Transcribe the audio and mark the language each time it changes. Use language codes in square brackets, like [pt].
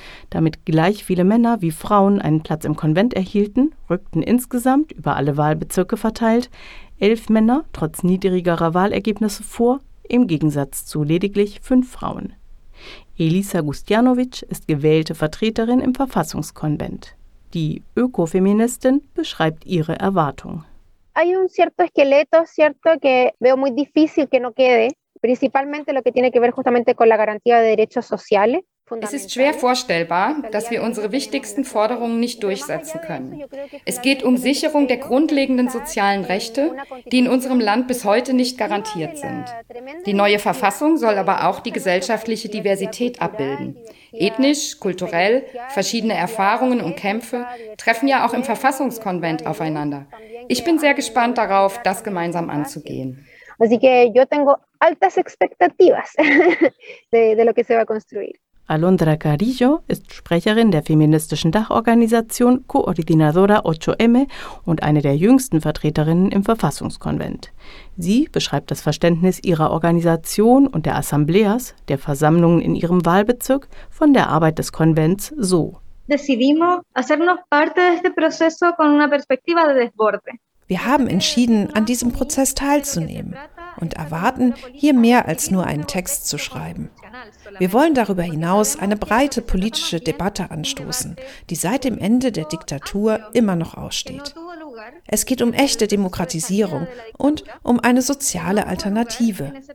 [de] Damit gleich viele Männer wie Frauen einen Platz im Konvent erhielten, rückten insgesamt über alle Wahlbezirke verteilt 11 Männer trotz niedrigerer Wahlergebnisse vor, im Gegensatz zu lediglich 5 Frauen. Elisa Gustjanovic ist gewählte Vertreterin im Verfassungskonvent. Die Ökofeministin beschreibt ihre Erwartung. [es] Hay un cierto esqueleto, cierto, que veo muy difícil que no quede, principalmente lo que tiene que ver justamente con la garantía de derechos sociales. [de] Es ist schwer vorstellbar, dass wir unsere wichtigsten Forderungen nicht durchsetzen können. Es geht um Sicherung der grundlegenden sozialen Rechte, die in unserem Land bis heute nicht garantiert sind. Die neue Verfassung soll aber auch die gesellschaftliche Diversität abbilden. Ethnisch, kulturell, verschiedene Erfahrungen und Kämpfe treffen ja auch im Verfassungskonvent aufeinander. Ich bin sehr gespannt darauf, das gemeinsam anzugehen. Also ich habe hohe Erwartungen, was sich konstruieren wird. Alondra Carrillo ist Sprecherin der feministischen Dachorganisation Coordinadora 8M und eine der jüngsten Vertreterinnen im Verfassungskonvent. Sie beschreibt das Verständnis ihrer Organisation und der Assembleas, der Versammlungen in ihrem Wahlbezirk, von der Arbeit des Konvents so. [es] Decidimos hacernos parte de este proceso con una perspectiva de desborde. [de] Wir haben entschieden, an diesem Prozess teilzunehmen und erwarten, hier mehr als nur einen Text zu schreiben. Wir wollen darüber hinaus eine breite politische Debatte anstoßen, die seit dem Ende der Diktatur immer noch aussteht. Es geht um echte Demokratisierung und um eine soziale Alternative.